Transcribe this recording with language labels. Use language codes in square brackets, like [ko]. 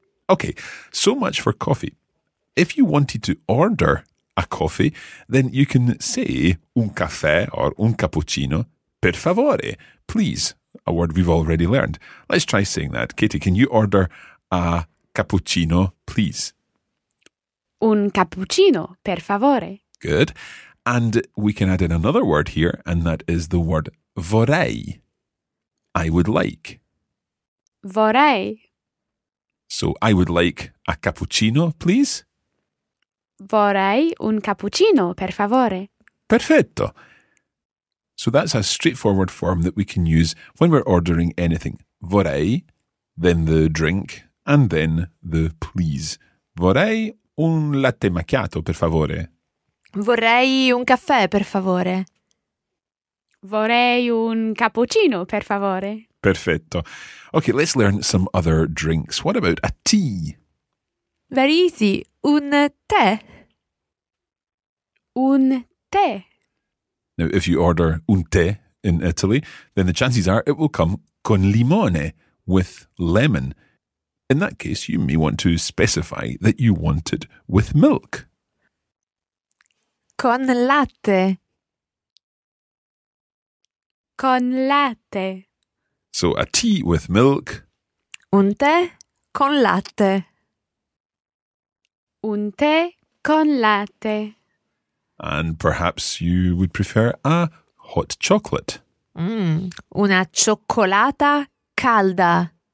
[en] Okay, so much for coffee. If you wanted to order a coffee, then you can say [it] un caffè [en] or [it] un cappuccino, per favore, [en] please, a word we've already learned. Let's try saying that. Katie, can you order a cappuccino, please? [it] Un cappuccino, per favore. [en] Good. And we can add in another word here, and that is the word vorrei. I would like. [it] Vorrei. [en] So I would like a cappuccino, please. [it] Vorrei un cappuccino, per favore. Perfetto. [en] So that's a straightforward form that we can use when we're ordering anything. Vorrei, then the drink, and then the please. [it] Vorrei un latte macchiato, per favore. Vorrei un caffè, per favore. Vorrei un cappuccino, per favore. Perfetto. [en] Okay, let's learn some other drinks. What about a tea? Very easy. [it] Un tè. Un tè. [en] Now, if you order [it] un tè [en] in Italy, then the chances are it will come [it] con limone, [en] with lemon. In that case, you may want to specify that you want it with milk. [it] Con latte. Con latte. [en] So a tea with milk. [it] Un tè con latte. Un tè con latte. [en] And perhaps you would prefer a hot chocolate. [it] Mm, una cioccolata calda.